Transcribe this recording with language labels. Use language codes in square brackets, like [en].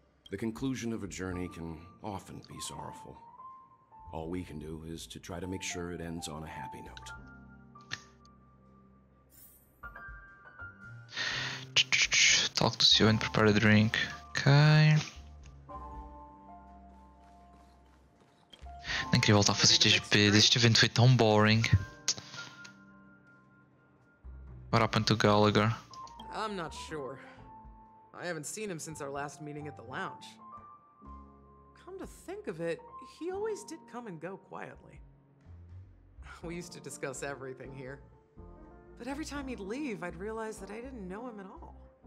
[en] The conclusion of a journey can often be sorrowful. All we can do is to try to make sure it ends on a happy note. Talk to Sue and prepare a drink. Okay. [pt] Nem queria voltar a fazer estes bebês. Este evento foi tão boring. [en] What happened to Gallagher? I'm not sure. I haven't seen him since our last meeting at the lounge. Come to think of it, he always did come and go quietly. We used to discuss everything here. But every time he'd leave, I'd realize that I didn't know him at all.